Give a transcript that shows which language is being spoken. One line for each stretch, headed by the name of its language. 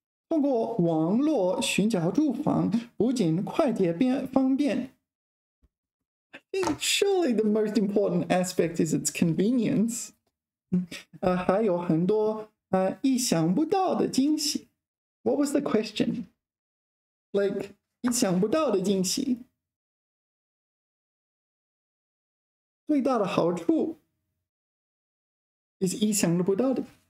Chinese: 通过网络寻找住房不仅快捷便方便。
English: I think surely the most important aspect is its convenience.
Chinese: 还有很多意想不到的惊喜。
English: What was the question? Like,
Chinese: 意想不到的惊喜。最大的好处 is 意想不到的。